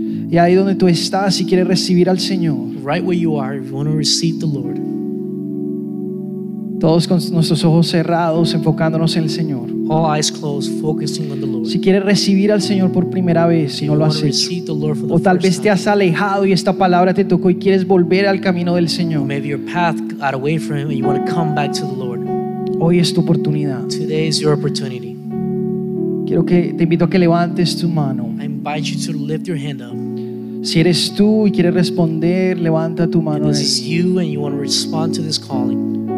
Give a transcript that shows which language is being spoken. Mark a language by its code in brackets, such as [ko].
[es] Y ahí donde tú estás, si quieres recibir al Señor. [en] Right where you are, if you want to receive the Lord. [es] Todos con nuestros ojos cerrados, enfocándonos en el Señor. [en] All eyes closed, focusing on the Lord. [es] Si quieres recibir al Señor por primera vez, si no lo has hecho, o tal vez te has alejado y esta palabra te tocó y quieres volver al camino del Señor. [en] Maybe your path got away from Him and you want to come back to the Lord. [es] Hoy es tu oportunidad. [en] Today is your opportunity. [es] Quiero que te invito a que levantes tu mano. [en] I invite you to lift your hand up. [es] Si eres tú y quieres responder, levanta tu mano. [en] This is you and you want to respond to this calling.